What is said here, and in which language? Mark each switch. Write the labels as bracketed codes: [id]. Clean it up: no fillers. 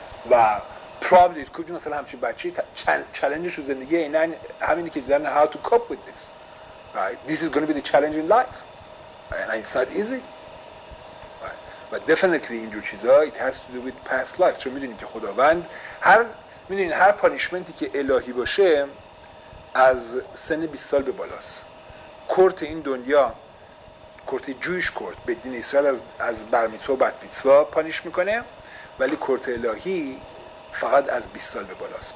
[en] و probably [fa] کدوم مثلا همچین بچه چالنجش تو زندگی اینه همینی که دارن [en] how to cope with this، right this is going to be the challenge in life and it's not easy. Right. But definitely [fa] اینجور چیزا [en] it has to do with past life. [fa] چون میدونید که خداوند هر میدونید هر پانیشمنتی که الهی باشه از سن 20 سال به بالاست. کورت این دنیا، کورت جویش کورت به دین اسرائیل از بر میتسوا و بت میتسوا پانیش میکنه، ولی کورت الهی فقط از 20 سال به بالاست.